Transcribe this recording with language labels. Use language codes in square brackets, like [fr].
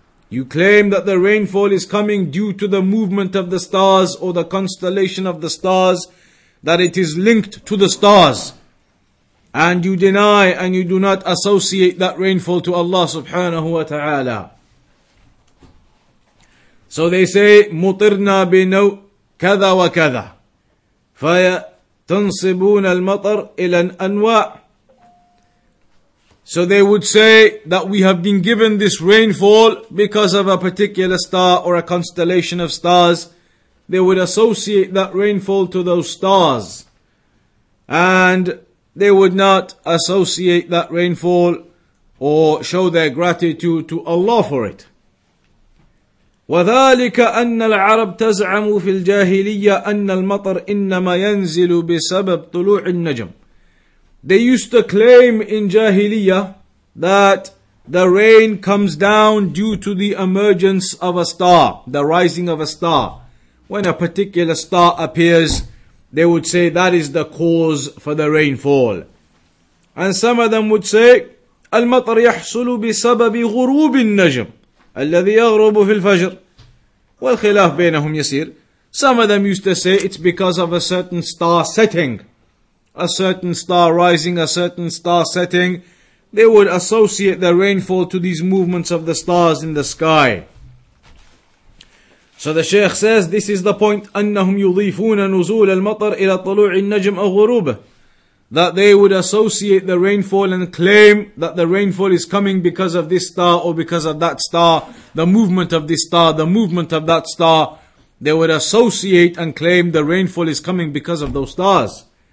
[en] You claim that the rainfall is coming due to the movement of the stars or the constellation of the stars, that it is linked to the stars. And you deny and you do not associate that rainfall to Allah subhanahu wa ta'ala. So they say, [ar] مُطِرْنَا بِنَوْءٍ كذا وكذا فتنصبون المطر إلى الأنواع. [en] So they would say that we have been given this rainfall because of a particular star or a constellation of stars, they would associate that rainfall to those stars, and they would not associate that rainfall or show their gratitude to Allah for it. [ar] وَذَٰلِكَ أَنَّ الْعَرَبْ تَزْعَمُ فِي الْجَاهِلِيَّةِ أَنَّ الْمَطَرْ إِنَّمَا يَنْزِلُ بِسَبَبْ طُلُوعِ النَّجَمِ. [en] They used to claim in Jahiliyyah that the rain comes down due to the emergence of a star, the rising of a star. When a particular star appears, they would say that is the cause for the rainfall. And some of them would say, [ar] المطر يحصل بسبب غروب النجم الذي يغرب في الفجر. والخلاف بينهم يسير. [en] Some of them used to say it's because of a certain star setting. A certain star rising, a certain star setting. They would associate the rainfall to these movements of the stars in the sky. So the Shaykh says, this is the point. [ar] أنهم يضيفون نزول المطر إلى طلوع النجم أو غروبه. [en] That they would associate the rainfall and claim that the rainfall is coming because of this star or because of that star, the movement of this star, the movement of that star. They would associate and claim the rainfall is coming because of those stars.